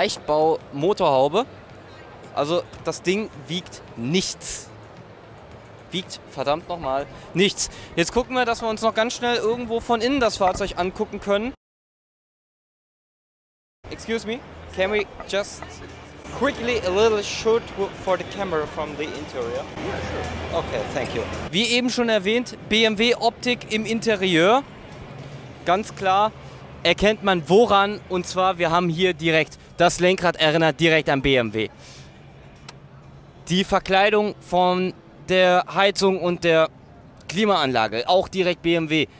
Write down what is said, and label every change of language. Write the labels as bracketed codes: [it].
[de] Leichtbau-Motorhaube, also das Ding wiegt nichts. Wiegt verdammt nochmal nichts. Jetzt gucken wir, dass wir uns noch ganz schnell irgendwo von innen das Fahrzeug angucken können. [en] Excuse me? Can we just quickly a little shoot for the camera from the interior? Okay, thank you. [de] Wie eben schon erwähnt, BMW Optik im Interieur. Ganz klar erkennt man woran. Und zwar, wir haben hier direkt das Lenkrad, erinnert direkt an BMW. Die Verkleidung von der Heizung und der Klimaanlage, auch direkt BMW.